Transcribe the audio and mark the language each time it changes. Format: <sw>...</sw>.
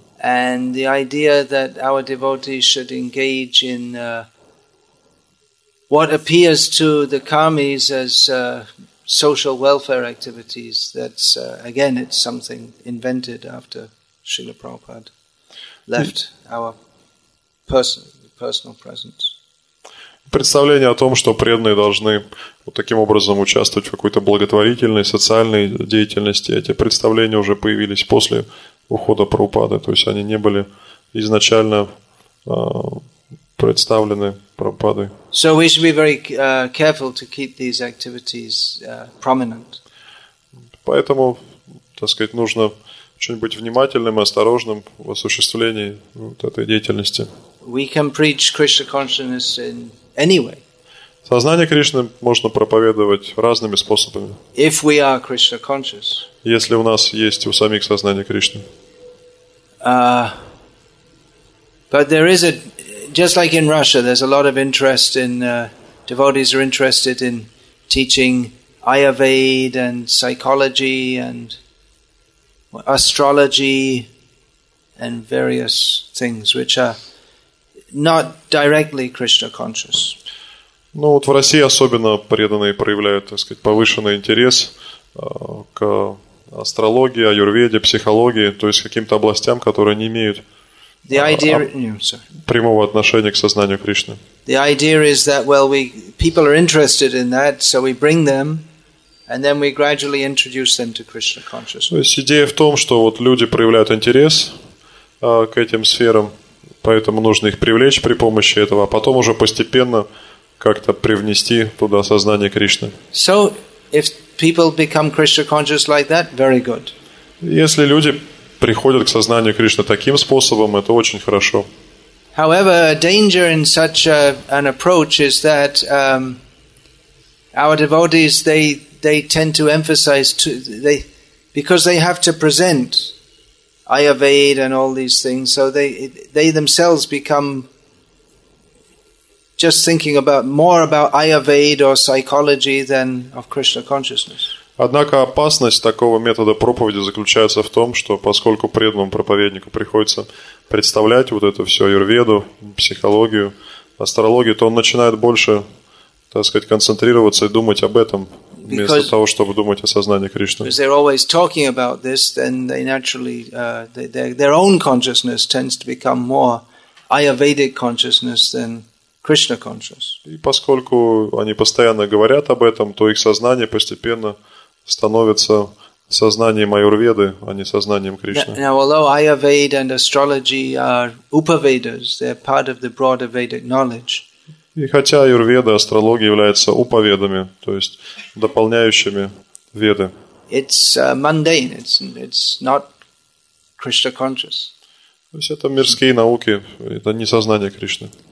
<en>And the idea that our devotees should engage in what appears to the karmis as social welfare activities—that's again, it's something invented after Srila Prabhupada left our personal presence.</en> <ru>Представление о том, что преданные должны вот таким образом участвовать в какой-то благотворительной, социальной деятельности, эти представления уже появились после ухода Прабхупады, то есть они не были изначально представлены Прабхупадой.</ru> <en>So we should be very careful to keep these activities prominent.</en> <ru>Поэтому, так сказать, нужно очень быть внимательным и осторожным в осуществлении вот этой деятельности.</ru> <en>We can preach Krishna consciousness in anyway.</en> <ru>Сознание Кришны можно проповедовать разными способами.</ru> <en>If we are Krishna conscious.</en> <ru>Если у нас есть у самих сознание Кришны.</ru> <en>But there is a, just like in Russia, there's a lot of interest in devotees are interested in teaching Ayurveda and psychology and astrology and various things which are not directly Krishna conscious.</en> <ru>Ну вот в России особенно преданные проявляют, так сказать, повышенный интерес к астрологии, аюрведе, психологии, то есть каким-то областям, которые не имеют прямого отношения к сознанию Кришны.</ru> <en>The idea is that, well, people are interested in that, so we bring them, and then we gradually introduce them to Krishna consciousness.</en> <ru>То есть идея в том, что вот люди проявляют интерес к этим сферам, поэтому нужно их привлечь при помощи этого, а потом уже постепенно как-то привнести туда сознание Кришны.</ru> <en>So, if people become Krishna conscious like that, very good.</en> <ru>Если люди приходят к сознанию Кришны таким способом, это очень хорошо.</ru> <en>However, a danger in such an approach is that our devotees, they they tend to emphasize to they because they have to present Ayurveda and all these things, so they themselves become just thinking about more about Ayurveda or psychology than of Krishna consciousness.</en> <ru>Однако опасность такого метода проповеди заключается в том, что поскольку преданному проповеднику приходится представлять вот это все, аюрведу, психологию, астрологию, то он начинает больше, так сказать, концентрироваться и думать об этом, вместо</ru> <en>because,</en> <ru>того, чтобы думать о сознании Кришны.</ru> <en>Because they're always talking about this, then they naturally, their own consciousness tends to become more Ayurvedic consciousness than Krishna consciousness.</en> <ru>И поскольку они постоянно говорят об этом, то их сознание постепенно становится сознанием Аюрведы, а не сознанием Кришны.</ru> <en>Now, although Ayurveda and astrology are Upavedas, they're part of the broader Vedic knowledge.</en> <ru>И хотя Аюрведа, астрология являются Упаведами, то есть дополняющими Веды.</ru> <en>It's mundane. It's not Krishna conscious.</en> <ru>То есть это мирские науки, это не сознание Кришны.</ru>